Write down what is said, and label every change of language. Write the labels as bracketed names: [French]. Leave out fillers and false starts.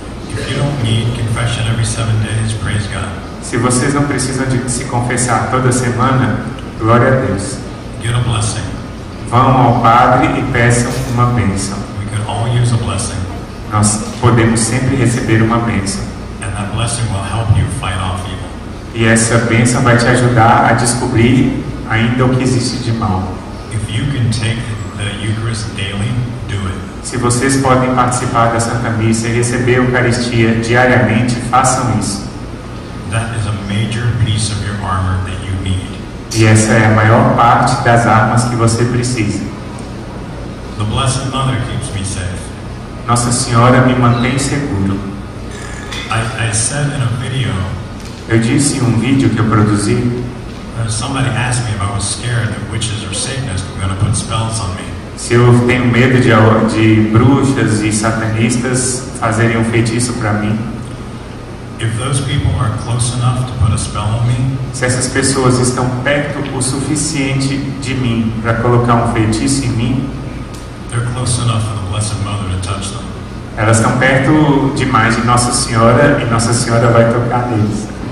[English] If you don't need confession every 7 days, praise God. [Portuguese] Se vocês não precisam de se confessar toda semana, glória a Deus. [English] Get a blessing. [Portuguese] Vão ao padre e peçam uma bênção. [English] We can all use a blessing. [Portuguese] Nós podemos sempre receber uma bênção. [English] And that blessing will help you fight off evil. [Portuguese] E essa bênção vai te ajudar a descobrir ainda o que existe de mal. [English] If you can take the Eucharist daily, do it. [Portuguese] Se vocês podem participar da Santa Missa e receber a Eucaristia diariamente, façam isso. [English] That is a major piece of your armor that you need. [Portuguese] E essa é a maior parte das armas que você precisa. [English] The Blessed Mother keeps me safe. [Portuguese] Nossa Senhora me mantém seguro. [English] I said in a video, [Portuguese] eu disse em um vídeo que eu produzi, [English] somebody asked me if I was scared that witches or Satanists were going to put spells on me. [Portuguese] Se eu tenho medo de bruxas e satanistas fazerem um feitiço para mim. [English] If those people are close enough to put a spell on me, [Portuguese] se essas pessoas estão perto o suficiente de mim para colocar um feitiço em mim, [English] they're close enough for the Blessed Mother to touch them. [Portuguese] Elas estão perto demais de Nossa Senhora e Nossa Senhora vai tocar neles.